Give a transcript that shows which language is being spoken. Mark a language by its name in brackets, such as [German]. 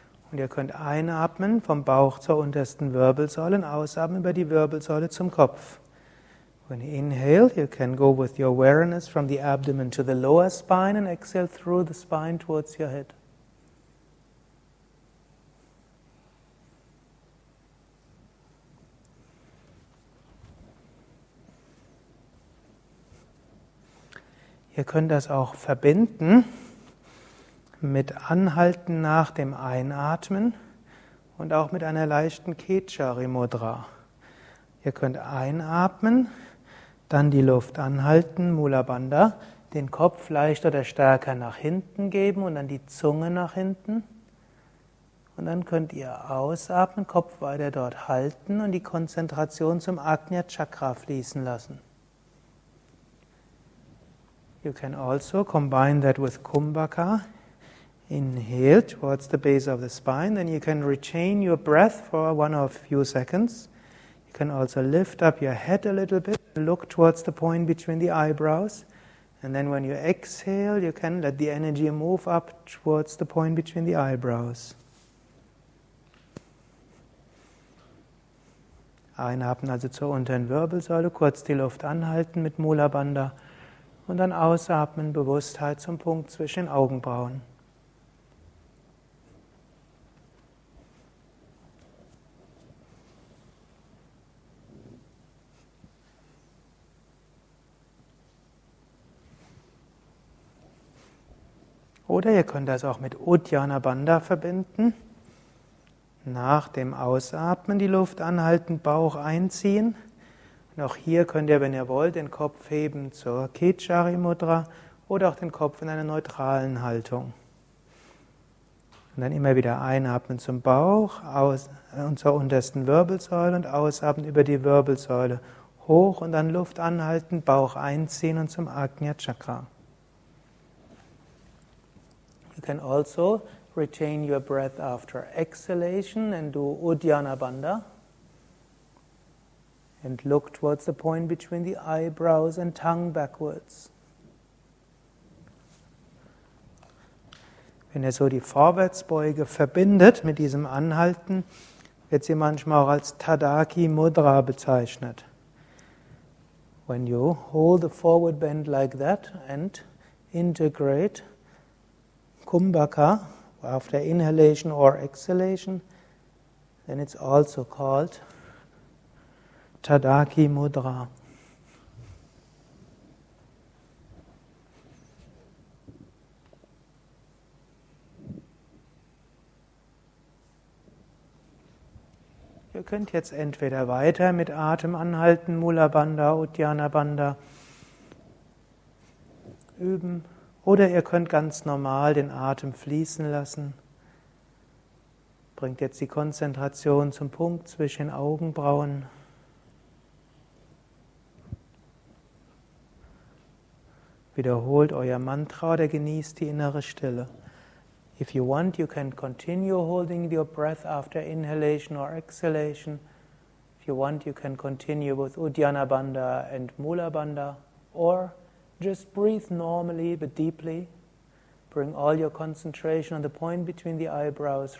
[German] Und ihr könnt einatmen vom Bauch zur untersten Wirbelsäule und ausatmen über die Wirbelsäule zum Kopf. [English] When you inhale, you can go with your awareness from the abdomen to the lower spine and exhale through the spine towards your head. [German] Ihr könnt das auch verbinden mit Anhalten nach dem Einatmen und auch mit einer leichten Kechari-Mudra. Ihr könnt einatmen, dann die Luft anhalten, Mulabandha, den Kopf leicht oder stärker nach hinten geben und dann die Zunge nach hinten. Und dann könnt ihr ausatmen, Kopf weiter dort halten und die Konzentration zum Agnya-Chakra fließen lassen. [English] You can also combine that with Kumbhaka. Inhale towards the base of the spine, then you can retain your breath for one or a few seconds. You can also lift up your head a little bit, look towards the point between the eyebrows, and then when you exhale, you can let the energy move up towards the point between the eyebrows. [German] Einatmen also zur unteren Wirbelsäule, kurz die Luft anhalten mit Mulabandha und dann ausatmen, Bewusstheit zum Punkt zwischen den Augenbrauen. Oder ihr könnt das auch mit Uddiyana Bandha verbinden. Nach dem Ausatmen die Luft anhalten, Bauch einziehen. Und auch hier könnt ihr, wenn ihr wollt, den Kopf heben zur Kechari Mudra oder auch den Kopf in einer neutralen Haltung. Und dann immer wieder einatmen zum Bauch aus, und zur untersten Wirbelsäule und ausatmen über die Wirbelsäule hoch und dann Luft anhalten, Bauch einziehen und zum Agnya Chakra. [English] You can also retain your breath after exhalation and do Uddiyana Bandha and look towards the point between the eyebrows and tongue backwards. [German] Wenn ihr so die Vorwärtsbeuge verbindet mit diesem Anhalten, wird sie manchmal auch als Tadaki Mudra bezeichnet. [English] When you hold the forward bend like that and integrate Kumbhaka, after inhalation or exhalation, then it's also called Tadaki Mudra. [German] Ihr könnt jetzt entweder weiter mit Atem anhalten, Mulabandha, Uddiyana Bandha üben. Oder ihr könnt ganz normal den Atem fließen lassen. Bringt jetzt die Konzentration zum Punkt zwischen den Augenbrauen. Wiederholt euer Mantra oder genießt die innere Stille. [English] If you want, you can continue holding your breath after inhalation or exhalation. If you want, you can continue with Uddiyana Bandha and Mulabandha or just breathe normally but deeply. Bring all your concentration on the point between the eyebrows.